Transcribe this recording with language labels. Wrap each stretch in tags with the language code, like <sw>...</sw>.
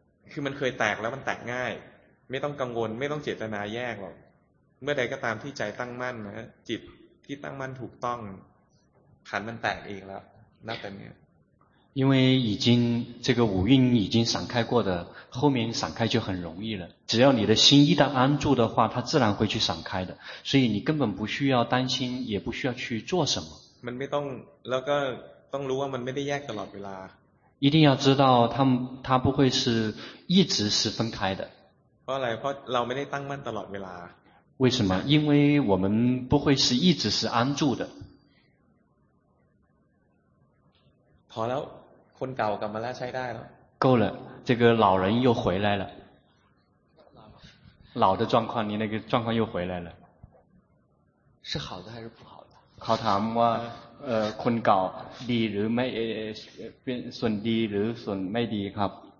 <th>คือมันเคยแตกแล้วมันแตกง่ายไม่ต้องกังวลไม่ต้องเจตนาแยกหรอกเมื่อใดก็ตามที่ใจตั้งมั่นนะจิตที่ตั้งมั่นถูกต้องขันมันแตกเองแล้วนับแต่นี้</th> <zh>因为已经这个五蕴已经散开过的，后面散开就很容易了。只要你的心一旦安住的话，它自然会去散开的。所以你根本不需要担心，也不需要去做什么。</zh> <th>มันไม่ต้อง แล้วก็ต้องรู้ว่ามันไม่ได้แยกตลอดเวลา。</th> <zh>一定要知道它不会是一直是分开的。</zh> <th>เพราะอะไร？เพราะเราไม่ได้ตั้งมั่นตลอดเวลา。</th> <zh>为什么？因为我们不会是一直是安住的。</zh> <th>พอแล้วคนเก่ากลับมาแล้วใช้ได้แล้ว</th> <zh>够了这个老人又回来了老的状况你那个状况又回来了是好的还是不好的</zh> <th>เขาถามว่าคนเก่าดีหรือไม่เป็นส่วนดีหรือส่วนไม่ดีครับ</th>